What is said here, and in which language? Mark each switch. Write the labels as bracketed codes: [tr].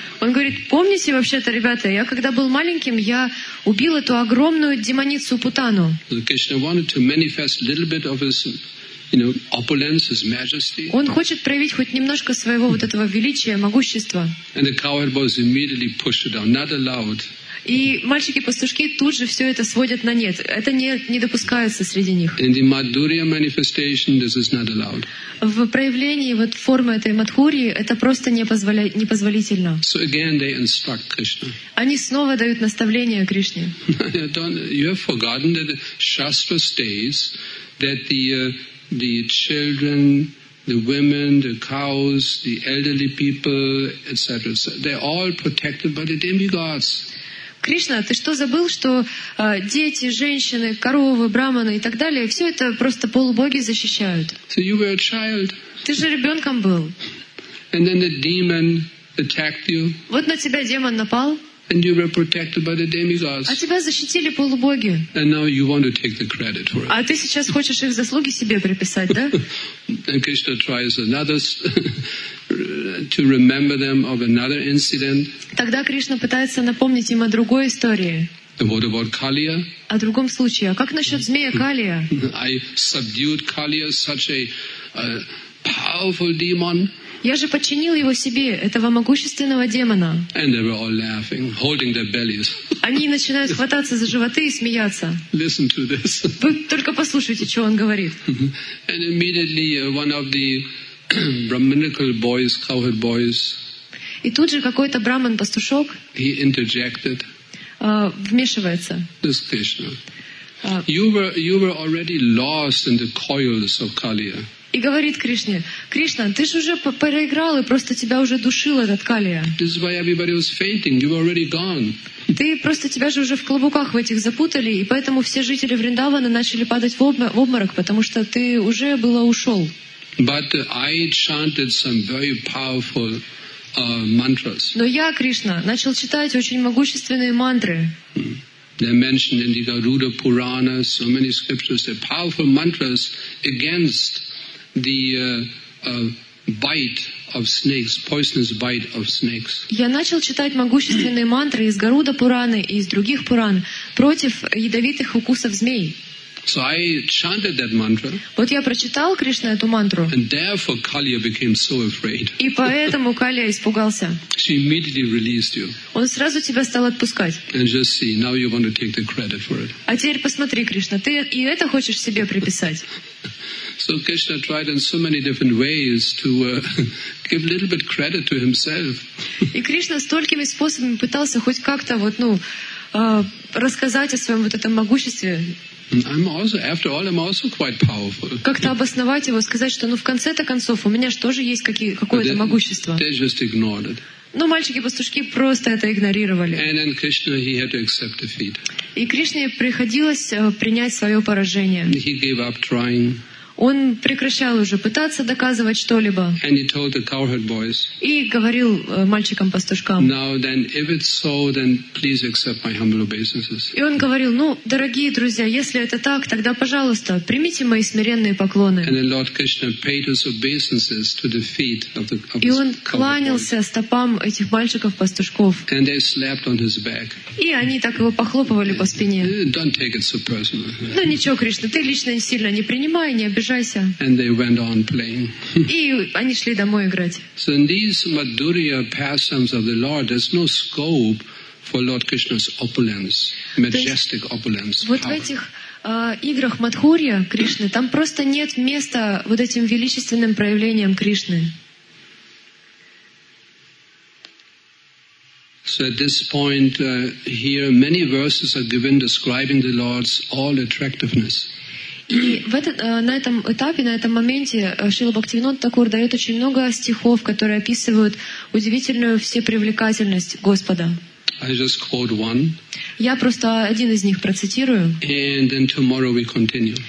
[ru] Он говорит, помните вообще-то, ребята, я когда был маленьким, я убил эту огромную демоницу Путану. [en] Krishna wanted to manifest a little bit of his, you know, opulence, his majesty. [ru] Он хочет проявить хоть немножко своего вот этого величия, могущества. [en] And the cowherd boys immediately pushed it down, not allowed. [ru] И мальчики-пастушки тут же все это сводят на нет. Это не допускается среди них. [en] In the Madhurya manifestation, this is not allowed. [ru] В проявлении вот формы этой Мадхурии это просто непозволительно. [en] So again, they instruct Krishna. [ru] Они снова дают наставление Кришне. [en] You have forgotten that the Shastra states that the children, the women, the cows, the elderly people, etc. They're all protected by the demigods. [ru] Кришна, ты что забыл, что дети, женщины, коровы, браманы и так далее, все это просто полубоги защищают? [en] So you were a child. [ru] Ты же ребенком был. [en] And then the demon attacked you. [ru] Вот на тебя демон напал. [en] And you were protected by the demigods. [ru] А тебя защитили полубоги. [en] And now you want to take the credit for it. [ru] А ты сейчас хочешь их заслуги себе приписать, да? [en] And Krishna tries another to remember them of another incident. [ru] Тогда Кришна пытается напомнить им о другой истории. [en] And what about Kaliya? [ru] О другом случае. А как насчет змея Калия? [en] I subdued Kaliya, such a powerful demon. [ru] Я же подчинил его себе, этого могущественного демона. [en] And they were all laughing, holding their bellies. [ru] Они начинают хвататься за животы и смеяться. [en] Listen to this. [ru] Вы только послушайте, что он говорит. [en] And immediately one of the brahminical boys, cowherd boys, [ru] и тут же какой-то браман-пастушок, [en] he interjected, [ru] вмешивается. [en] This Krishna. You were already lost in the coils of Kaliya. [ru] И говорит Кришне, Кришна, ты же уже проиграл, и просто тебя уже душил этот Калия. [en] This is why everybody was fainting. You were already gone. [ru] Ты просто тебя же уже в клубуках в этих запутали, и поэтому все жители Вриндавана начали падать в обморок, потому что ты уже было ушел. [en] But I chanted some very powerful mantras. [ru] Но я, Кришна, начал читать очень могущественные мантры. [en] They're mentioned in the Garuda Purana, so many scriptures, they're powerful mantras against the bite of snakes, poisonous bite of snakes. [ru] Я начал читать могущественные мантры из Гаруда Пураны и из других Пуран против ядовитых укусов змей. [en] So I chanted that mantra. [ru] Вот я прочитал Кришна эту мантру. [en] And therefore Kaliya became so afraid. [ru] И поэтому Калия испугался. [en] She immediately released you. [ru] Он сразу тебя стал отпускать. [en] And just see, now you want to take the credit for it. [ru] А теперь посмотри, Кришна, ты и это хочешь себе приписать? [en] So Krishna tried in so many different ways to give a little bit credit to himself. [ru] И Кришна столькими способами пытался хоть как-то вот рассказать о своем вот этом могуществе. [en] I'm also quite powerful. [ru] Как-то обосновать его, сказать, что в конце-то концов у меня же тоже есть какое-то могущество. [en] They just ignored it. [ru] Но мальчики-пастушки просто это игнорировали. [en] And then Krishna, he had to accept defeat. [ru] И Кришне приходилось принять свое поражение. [en] He gave up trying. [ru] Он прекращал уже пытаться доказывать что-либо. [en] And he told the cowherd boys, [ru] и говорил мальчикам-пастушкам. [en] Now then, if it's so, then please accept my humble obeisances. [ru] И он говорил, дорогие друзья, если это так, тогда, пожалуйста, примите мои смиренные поклоны. [en] And then Lord Krishna paid his obeisances to the feet of the cowherd boys. [ru] И он кланялся стопам этих мальчиков-пастушков. [en] And they slapped on his back. [ru] И они так его похлопывали по спине. [en] Don't take it so personal. [ru] Ну ничего, Кришна, ты лично не сильно не принимай, не обижайся. [en] And they went on playing. [ru] И они шли домой играть. [en] So in these Madhurya pastimes of the Lord, there's no scope for Lord Krishna's opulence, majestic opulence. [ru] Вот в этих играх Мадхурья Кришны там просто нет места вот этим величественным проявлениям Кришны. [en] So at this point, here many verses are given describing the Lord's all attractiveness. [ru] И на этом этапе, на этом моменте Шрила Бхактивинода Тхакур дает очень много стихов, которые описывают удивительную всепривлекательность Господа. [en] I just quote one. [ru] Я просто один из них процитирую. [en] And then tomorrow we continue.